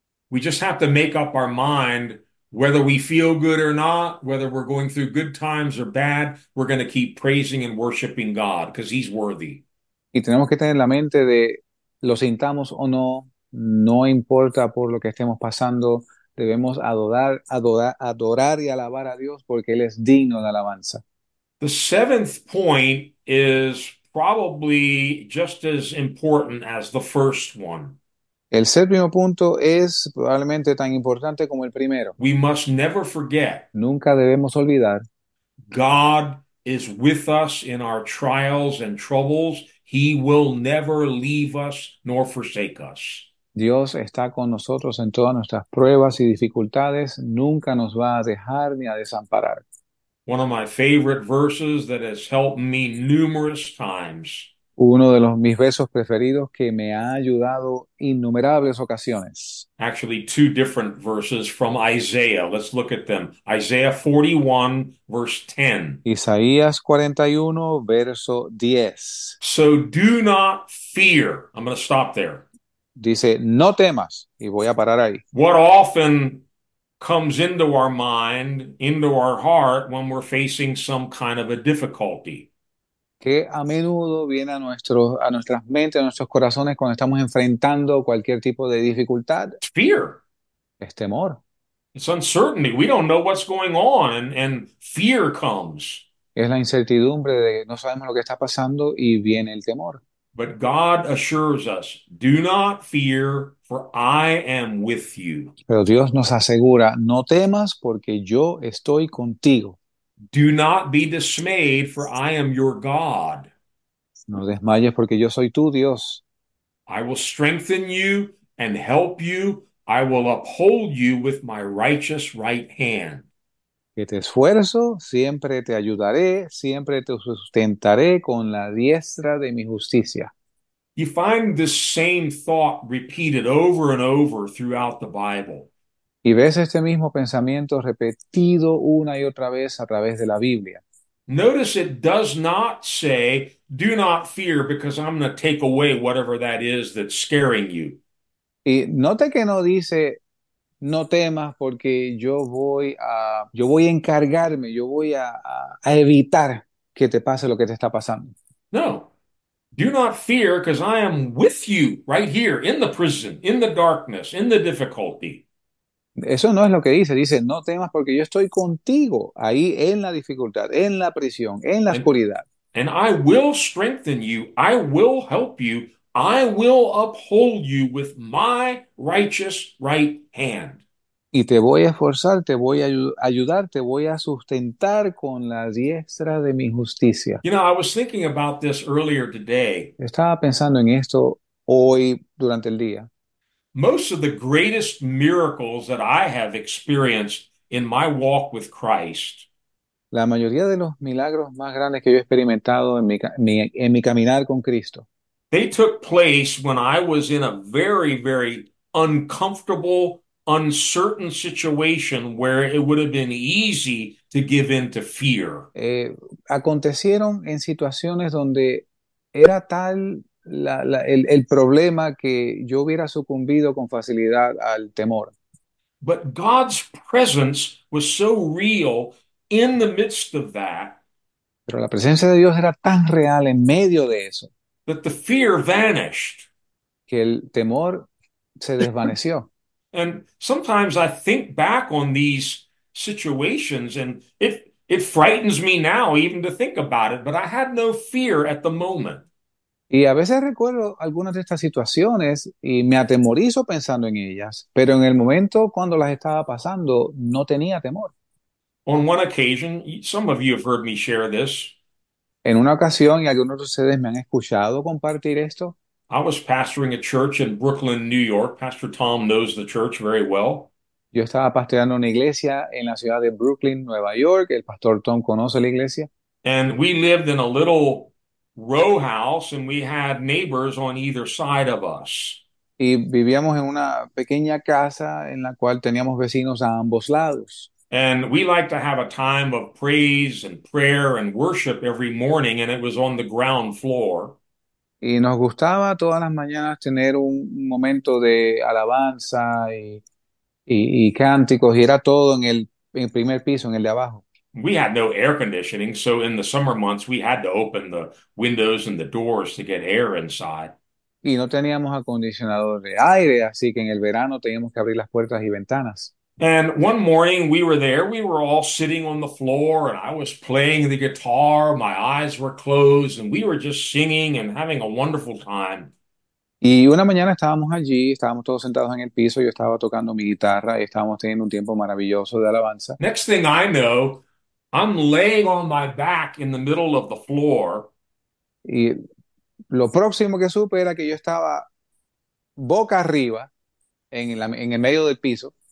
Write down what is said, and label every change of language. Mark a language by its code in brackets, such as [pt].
[en] we just have to make up our mind whether we feel good or not, whether we're going through good times or bad, we're going to keep praising and worshiping God because He's worthy. [es] Y tenemos que tener la mente de lo sintamos o no. No importa por lo que estemos pasando, debemos adorar y alabar a Dios porque Él es digno de alabanza. [en] The seventh point is probably just as important as the first one. [es] El séptimo punto es probablemente tan importante como el primero. [en] We must never forget [es] Nunca debemos olvidar. [en] God is with us in our trials and troubles. He will never leave us nor forsake us. [es] Dios está con nosotros en todas nuestras pruebas y dificultades, nunca nos va a dejar ni a desamparar. [en] One of my favorite verses that has helped me numerous times. [es] Uno de los mis versos preferidos que me ha ayudado innumerables ocasiones. [en] Actually, two different verses from Isaiah. Let's look at them. Isaiah 41, verse 10. [es] Isaías 41, verso 10. [en] So do not fear. I'm going to stop there. [es] Dice, no temas, y voy a parar ahí. [en] What often comes into our mind, into our heart when we're facing some kind of a difficulty. [es] Que a menudo viene a nuestras mentes, a nuestros corazones cuando estamos enfrentando cualquier tipo de dificultad. [en] It's fear. [es] Es temor. [en] It's uncertainty. We don't know what's going on, and fear comes. [es] Es la incertidumbre de no sabemos lo que está pasando y viene el temor. [en] But God assures us, do not fear, for I am with you. [es] Pero Dios nos asegura, no temas porque yo estoy contigo. [en] Do not be dismayed, for I am your God. [es] No desmayes porque yo soy tu Dios. [en] I will strengthen you and help you. I will uphold you with my righteous right hand. [es] Que te esfuerzo, siempre te ayudaré, siempre te sustentaré con la diestra de mi justicia. [en] You find this same thought repeated over and over throughout the Bible. [es] Y ves este mismo pensamiento repetido una y otra vez a través de la Biblia. [en] Notice it does not say, do not fear because I'm going to take away whatever that is that's scaring you. [es] Y note que no dice, no temas porque yo voy a encargarme, yo voy a evitar que te pase lo que te está pasando. No. [en] Do not fear, because I am with you right here in the prison, in the darkness, in the difficulty. [es] Eso no es lo que dice. Dice, no temas porque yo estoy contigo ahí en la dificultad, en la prisión, en la oscuridad. [en] And I will strengthen you. I will help you. I will uphold you with my righteous right hand. [es] Y te voy a esforzar, te voy a ayudar, te voy a sustentar con la diestra de mi justicia. [en] You know, I was thinking about this earlier today. [es] Estaba pensando en esto hoy durante el día. [en] Most of the greatest miracles that I have experienced in my walk with Christ. [es] La mayoría de los milagros más grandes que yo he experimentado en mi caminar con Cristo. [en] They took place when I was in a very, very uncomfortable, uncertain situation where it would have been easy to give in to fear. [es] Acontecieron en situaciones donde era tal el problema que yo hubiera sucumbido con facilidad al temor. [en] But God's presence was so real in the midst of that. [es] Pero la presencia de Dios era tan real en medio de eso [en] That the fear vanished. [es] que el temor se desvaneció. [en] And sometimes I think back on these situations and it frightens me now even to think about it, but I had no fear at the moment. [es] Y a veces recuerdo algunas de estas situaciones y me atemorizo pensando en ellas, pero en el momento cuando las estaba pasando no tenía temor. [en] On one occasion, some of you have heard me share this. [es] En una ocasión, y algunos de ustedes me han escuchado compartir esto. [en] I was pastoring a church in Brooklyn, New York. Pastor Tom knows the church very well. [es] Yo estaba pastoreando una iglesia en la ciudad de Brooklyn, Nueva York. El pastor Tom conoce la iglesia. [en] And we lived in a little row house, and we had neighbors on either side of us. [es] Y vivíamos en una pequeña casa en la cual teníamos vecinos a ambos lados. [en] And we like to have a time of praise and prayer and worship every morning, and it was on the ground floor. [es] Y nos gustaba todas las mañanas tener un momento de alabanza y cánticos, y era todo en el primer piso, en el de abajo. [en] We had no air conditioning, so in the summer months we had to open the windows and the doors to get air inside. [es] Y no teníamos acondicionador de aire, así que en el verano teníamos que abrir las puertas y ventanas. [en] And one morning we were there, we were all sitting on the floor, and I was playing the guitar, my eyes were closed, and we were just singing and having a wonderful time. [es] Y una mañana estábamos allí, estábamos todos sentados en el piso, yo estaba tocando mi guitarra y estábamos teniendo un tiempo maravilloso de alabanza. [en] Next thing I know, I'm laying on my back in the middle of the floor. [es] Y lo próximo que supe era que yo estaba boca arriba en el medio del piso.